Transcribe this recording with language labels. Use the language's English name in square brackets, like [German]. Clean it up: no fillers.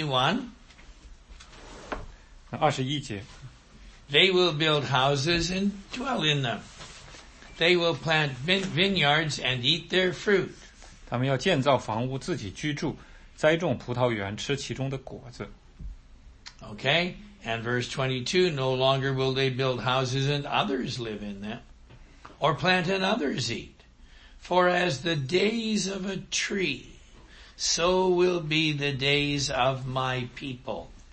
[Chinese] 所以当罪被消除了以后，那导致我们快速变老、快速衰老的那个内在的原因也消除了，所以寿命自然就长。Verse 21节， [English] They will build houses and dwell in them. They will plant vineyards and eat their fruit. [Chinese] 他们要建造房屋，自己居住，栽种葡萄园，吃其中的果子。 [English] Okay, and verse 22, no longer will they build houses and others live in them, or plant and others eat. For as the days of a tree, so will be the days of my people.